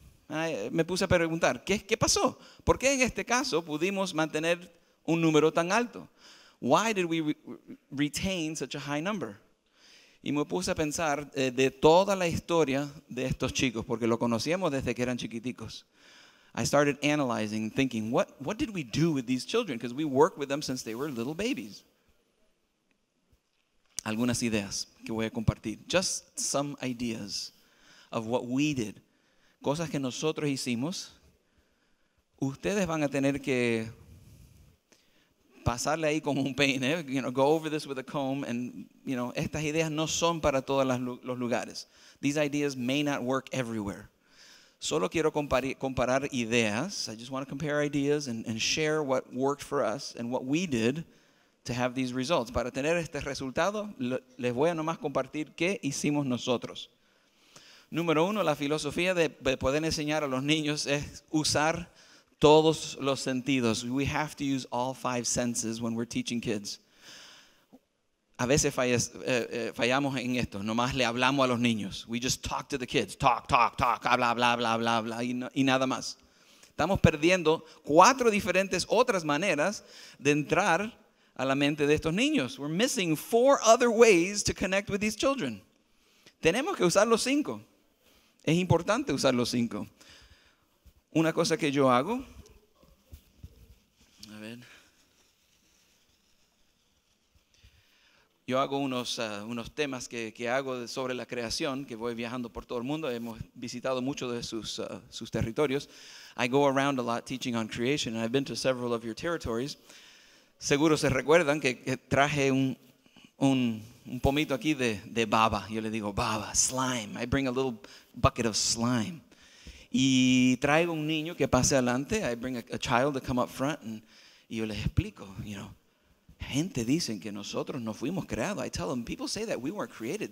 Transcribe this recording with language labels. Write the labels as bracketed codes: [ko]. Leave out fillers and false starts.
[es] Me puse a preguntar, ¿qué pasó? ¿Por qué en este caso pudimos mantener un número tan alto? [en] Why did we retain such a high number? [es] Y me puse a pensar de toda la historia de estos chicos, porque lo conocíamos desde que eran chiquiticos. [en] I started analyzing, thinking, what did we do with these children? Because we worked with them since they were little babies. [es] Algunas ideas que voy a compartir. [en] Just some ideas of what we did. [es] Cosas que nosotros hicimos. Ustedes van a tener que pasarle ahí con un peine, [en] you know, go over this with a comb, [es] and you know, estas ideas no son para todos los lugares. [en] These ideas may not work everywhere. [es] Solo quiero comparar ideas. [en] I just want to compare ideas and share what worked for us and what we did to have these results. [es] Para tener este resultado, les voy a nomás compartir qué hicimos nosotros. Número uno, la filosofía de poder enseñar a los niños es usar todos los sentidos. [en] We have to use all five senses when we're teaching kids. [es] A veces fallamos en esto. Nomás le hablamos a los niños. [en] We just talk to the kids. Talk, talk, talk. [es] Habla, habla, habla, habla, habla. Y nada más. Estamos perdiendo cuatro diferentes otras maneras de entrar a la mente de estos niños. [en] We're missing four other ways to connect with these children. [es] Tenemos que usar los cinco. Es importante usar los cinco. Una cosa que yo hago, a ver, yo hago unos temas que hago sobre la creación, que voy viajando por todo el mundo, hemos visitado muchos de sus territorios. [en] I go around a lot teaching on creation, and I've been to several of your territories. [es] Seguro se recuerdan que traje un pomito aquí de baba. Yo le digo baba, [en] slime. I bring a little bucket of slime. [es] Y traigo un niño que pase adelante. [en] I bring a child to come up front, [es] y yo les explico, you know, gente dicen que nosotros no fuimos creados. [en] I tell them, people say that we weren't created.